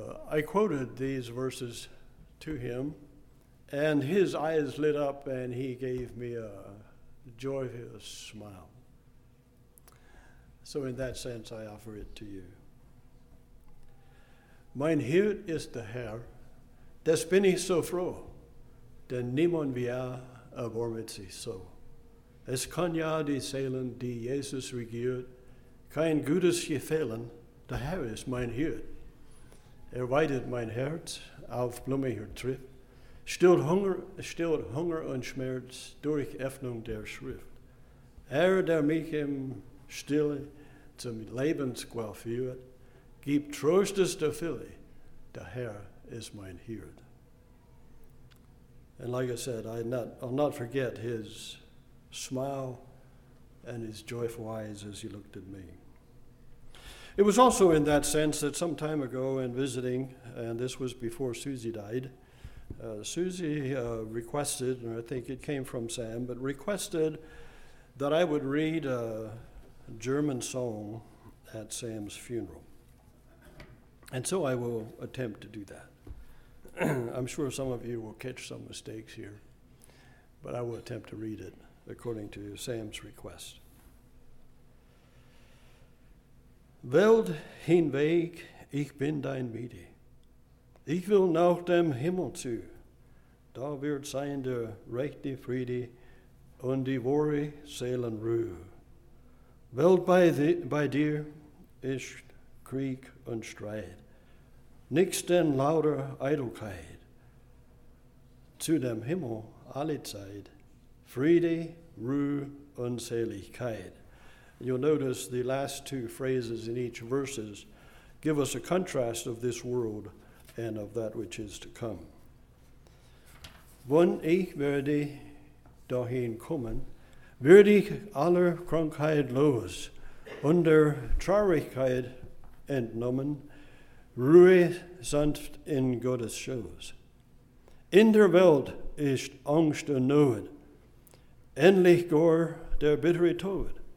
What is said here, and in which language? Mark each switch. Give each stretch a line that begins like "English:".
English: I quoted these verses to him, and his eyes lit up, and he gave me a joyous smile. So in that sense, I offer it to you.
German: Mein Hirt ist der Herr, des bin ich so froh, denn niemand via erwärmt sich so. Es kann ja die Seelen, die Jesus regiert, kein Gutes je fehlen, der Herr ist mein Hirt. Weidet mein Herz auf blumiger Trift, stillt Hunger und Schmerz durch Öffnung der Schrift. Der mich im Stille zum Lebensquell führt, gibt Trostes der Fülle, der Herr ist mein Hirt.
English: And like I said, I'll not forget his smile and his joyful eyes as he looked at me. It was also in that sense that some time ago in visiting, and this was before Susie died, Susie requested, and I think it came from Sam, but requested that I would read a German song at Sam's funeral. And so I will attempt to do that. I'm sure some of you will catch some mistakes here, but I will attempt to read it according to Sam's request.
German: Welt hinweg, ich bin dein Miete. Ich will nach dem Himmel zu. Da wird sein der rechte Friede und die wahre Seelenruhe. Welt bei dir ist Krieg und Streit. Nichts denn lauter Eitelkeit. Zu dem Himmel alle Zeit. Friede, Ruhe und Seligkeit.
English: You'll notice the last two phrases in each verses give us a contrast of this world and of that which is to come.
German: Wann ich werde dahin kommen, werde ich aller Krankheit los, unter Traurigkeit entnommen, Ruhe sanft in Gottes Schoß. In der Welt ist Angst und Not, endlich gar der bittere Tod.